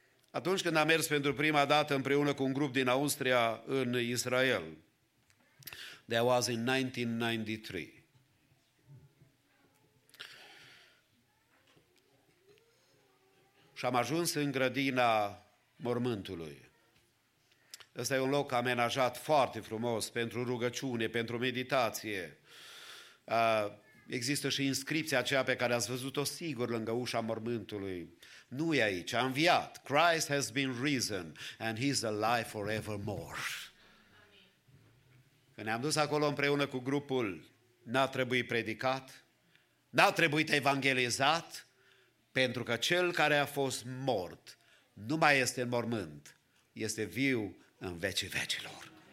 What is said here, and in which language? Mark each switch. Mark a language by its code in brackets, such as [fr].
[ro] Atunci când am mers pentru prima dată împreună cu un grup din Austria în Israel, [en] that was in 1993, [ro] și am ajuns în grădina mormântului. Ăsta e un loc amenajat foarte frumos pentru rugăciune, pentru meditație. Există și inscripția aceea pe care ați văzut-o sigur lângă ușa mormântului. Nu e aici, a înviat. [en] Christ has been risen and He's alive forevermore. [ro] Când ne-am dus acolo împreună cu grupul, n-a trebuit predicat, n-a trebuit evangelizat, pentru că cel care a fost mort nu mai este în mormânt, este viu în vecii vecilor.